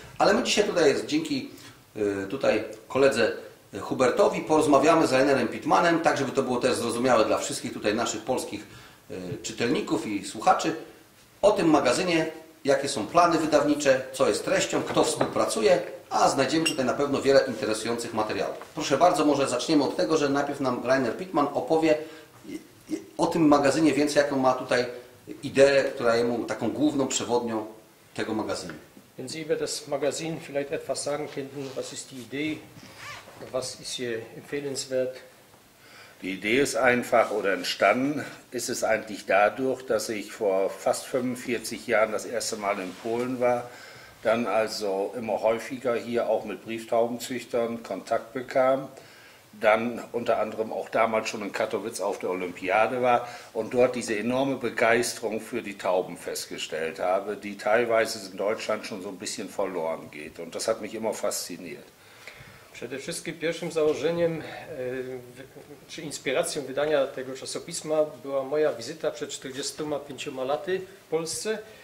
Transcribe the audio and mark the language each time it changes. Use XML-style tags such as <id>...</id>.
<pl>Ale my dzisiaj tutaj jest dzięki tutaj koledze Hubertowi porozmawiamy z Rainerem Pittmanem, tak żeby to było też zrozumiałe dla wszystkich tutaj naszych polskich czytelników i słuchaczy, o tym magazynie, jakie są plany wydawnicze, co jest treścią, kto współpracuje, a znajdziemy tutaj na pewno wiele interesujących materiałów. Proszę bardzo, może zaczniemy od tego, że najpierw nam Rainer Pittman opowie o tym magazynie więcej, jaką ma tutaj ideę, która jemu taką główną przewodnią tego magazynu. Więc</pl> <de>ich werde das Magazin vielleicht etwas sagen können, was ist die Idee, was ist hier empfehlenswert? Die Idee ist einfach oder entstanden ist es eigentlich dadurch, dass ich vor fast 45 Jahren das erste Mal in Polen war, dann also immer häufiger hier auch mit Brieftaubenzüchtern Kontakt bekam, dann unter anderem auch damals schon in Katowice auf der Olympiade war und dort diese enorme Begeisterung für die Tauben festgestellt habe, die teilweise in Deutschland schon so ein bisschen verloren geht. Und das hat mich immer fasziniert.</de> <pl>Przede wszystkim pierwszym założeniem czy inspiracją wydania tego czasopisma była moja wizyta przed 45 laty w Polsce.</pl>